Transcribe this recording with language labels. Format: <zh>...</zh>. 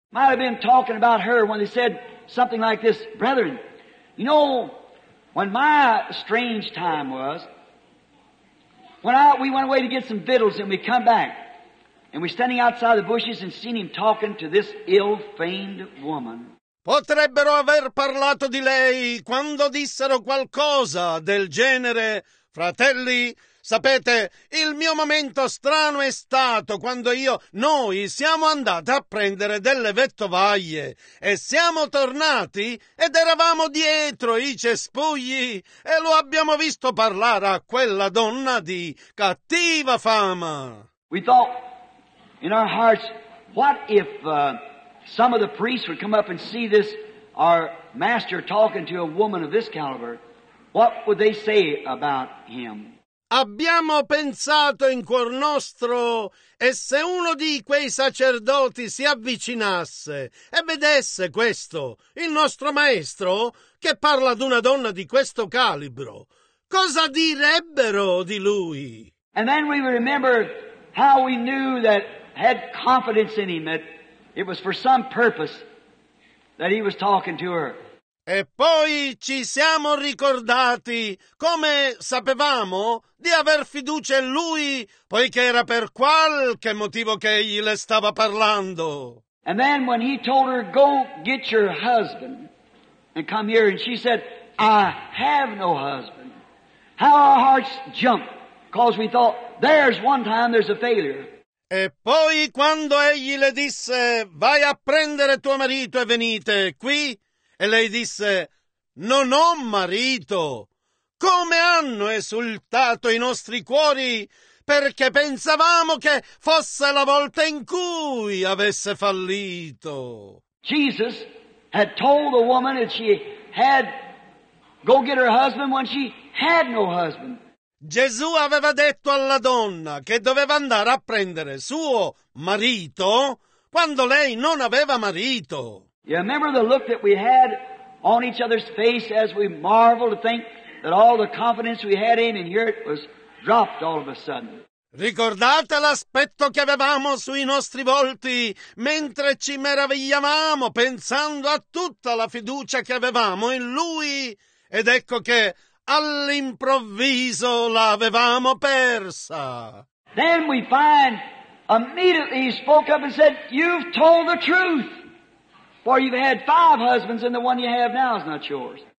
<en>Might have been talking about her when they said something like this, brethren. You know, when my strange time was, we went away to get some victuals and we come back. And we're standing outside the bushes and seeing him talking to this ill-famed woman.</en> <it>Potrebbero aver parlato di lei quando dissero qualcosa del genere. Fratelli, sapete, il mio momento strano è stato quando noi siamo andati a prendere delle vettovaglie e siamo tornati ed eravamo dietro i cespugli e lo abbiamo visto parlare a quella donna di cattiva fama.</it> <en>We thought in our hearts, what if some of the priests would come up and see this, our master talking to a woman of this caliber, what would they say about him?</en> <it>Abbiamo pensato in cuor nostro, e se uno di quei sacerdoti si avvicinasse e vedesse questo, il nostro maestro, che parla ad una donna di questo calibro, cosa direbbero di lui?</it> <en>And then we remember how we knew that had confidence in him, that it was for some purpose that he was talking to her.</en> <it>E poi ci siamo ricordati come sapevamo di aver fiducia in lui, poiché era per qualche motivo che egli le stava parlando.</it> <en>And then when he told her, go get your husband and come here, and she said, I have no husband, how our hearts jumped, because we thought, there's one time there's a failure.</en> <it>E poi quando egli le disse, vai a prendere tuo marito e venite qui, e lei disse, non ho marito, come hanno esultato i nostri cuori, perché pensavamo che fosse la volta in cui avesse fallito.</it> <en>Jesus had told the woman that she had go get her husband when she had no husband.</en> <it>Gesù aveva detto alla donna che doveva andare a prendere suo marito quando lei non aveva marito.</it> <en>You remember the look that we had on each other's face as we marveled to think that all the confidence we had in here it was dropped all of a sudden.</en> <it>Ricordate l'aspetto che avevamo sui nostri volti mentre ci meravigliavamo pensando a tutta la fiducia che avevamo in lui, ed ecco che all'improvviso l'avevamo persa.</it> <en>Then we find immediately he spoke up and said, you've told the truth, for you've had five husbands and the one you have now is not yours.</en>